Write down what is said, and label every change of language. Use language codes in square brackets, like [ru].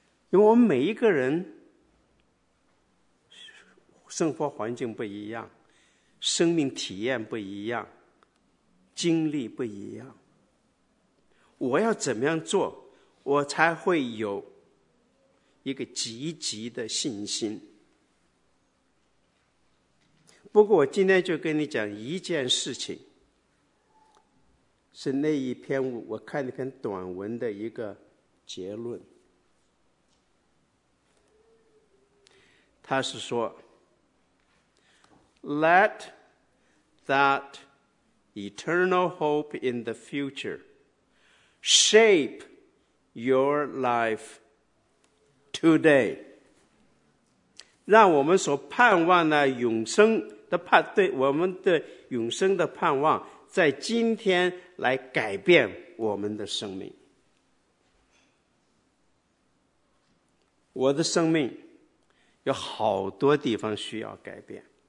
[zh] 因为我们每一个人生活环境不一样，生命体验不一样，经历不一样，我要怎么样做我才会有一个积极的信心？不过我今天就跟你讲一件事情，是那一篇我看了很短文的一个结论。 [en] 他是说 Let that eternal hope in the future shape your life today. [zh] 让我们所盼望的永生的盼，对我们的永生的盼望，在今天来改变我们的生命。我的生命有好多地方需要改变。